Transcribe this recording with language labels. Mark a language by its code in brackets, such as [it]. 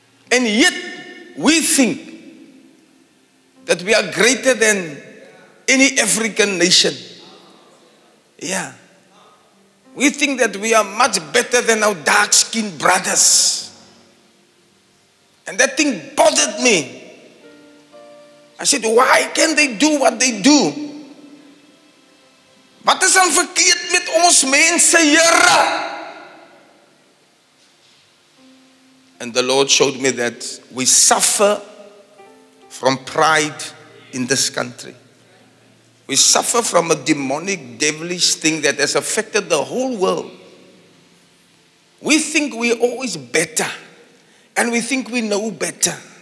[en] And yet, we think that we are greater than any African nation. Yeah. We think that we are much better than our dark-skinned brothers. And that thing bothered me. I said, why can't they do what they do? [af] Wat is dan verkeerd met ons mense, Here? [en] And the Lord showed me that we suffer from pride in this country. We suffer from a demonic, devilish thing that has affected the whole world. We think we're always better. And we think we know better.